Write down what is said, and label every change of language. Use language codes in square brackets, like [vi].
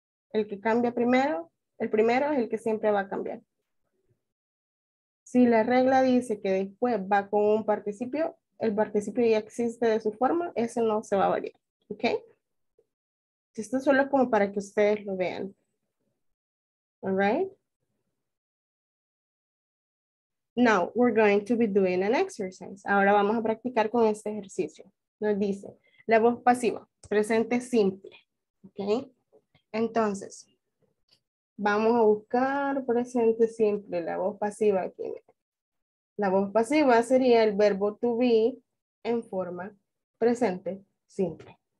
[es] El que cambia primero, el primero es el que siempre va a cambiar. Si la regla dice que después va con un participio, el participio ya existe de su forma, ese no se va a variar, ¿ok? Esto solo es como para que ustedes lo vean. [en] All right? Now, we're going to be doing an exercise. [es] Ahora vamos a practicar con este ejercicio. Nos dice, la voz pasiva, presente simple, ¿ok? Entonces, vamos a buscar presente simple, la voz pasiva aquí. La voz pasiva sería el verbo to be en forma presente simple.